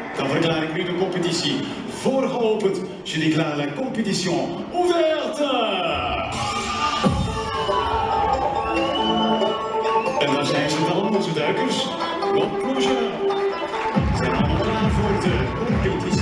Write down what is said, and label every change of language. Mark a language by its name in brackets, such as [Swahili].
[Dutch] Dan verklaar ik nu de competitie voor geopend. [French] Je déclare la compétition ouverte. [Dutch] En daar zijn ze dan, onze duikers. [French] Bon plongeur. [Dutch] Zijn allemaal klaar voor de competitie.